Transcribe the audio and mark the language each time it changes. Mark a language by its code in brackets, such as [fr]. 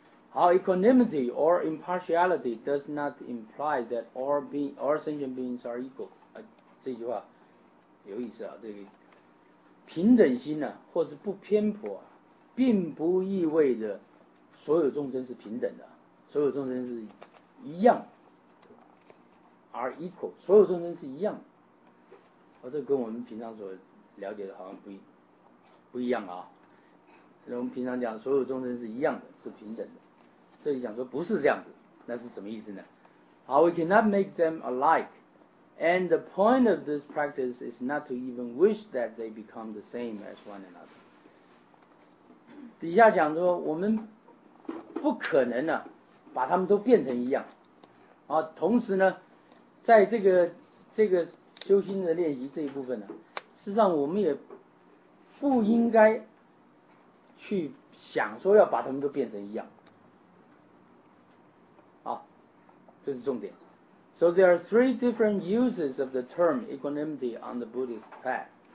[zh] 好， [en] equanimity or impartiality does not imply that all sentient beings are equal、 [zh] 啊、这句话有意思啊，这个平等心啊或是不偏颇、啊、并不意味着所有众生是平等的，所有众生是一样， [en] are equal， [zh] 所有众生是一样的、哦、这跟我们平常所了解的好像不一样啊。我们平常讲所有众生是一样的，是平等的，这里讲说不是这样子，那是什么意思呢？ [en] 好， we cannot make them alike， and the point of this practice is not to even wish that they become the same as one another。 [zh] 底下讲说我们不可能、啊、把他们都变成一样、啊、同时呢在这个修心的练习这一部分呢、啊，事实上我们也不应该去想说要把他们都变成一样。好，这是重点。 [en] So there are three different uses of the term equanimity on the Buddhist path.